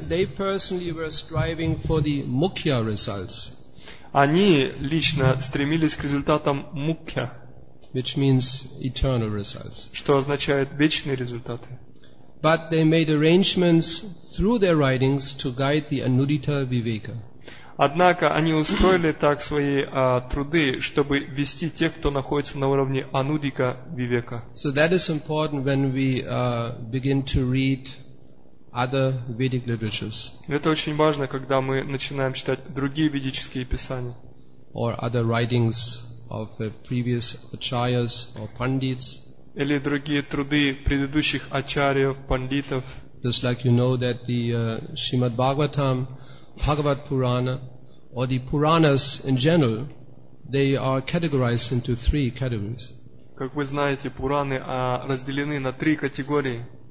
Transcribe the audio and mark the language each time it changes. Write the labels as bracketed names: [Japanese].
[English] They personally were striving for the mukhya results. [Russian] Они лично стремились к результатам мукхя, [English] which means eternal results, [Russian] что означает вечные результаты. [English] But they made arrangements through their writings to guide the anudita viveka. [Russian] Однако они устроили так свои труды, чтобы вести тех, кто находится на уровне анудика вивека. [English] So that is important when we begin to read other Vedic literatures. [Russian] Это очень важно, когда мы начинаем читать другие ведические писания. [English] Or other writings of previous acharyas or pandits. [Russian] Или другие труды предыдущих ачарьев, пандитов. [English] Just like you know that the Shrimad Bhagavatam, Bhagavad Purana, or the Puranas in general, they are categorized into three categories. [Russian] Как вы знаете, Пураны разделены на три категории.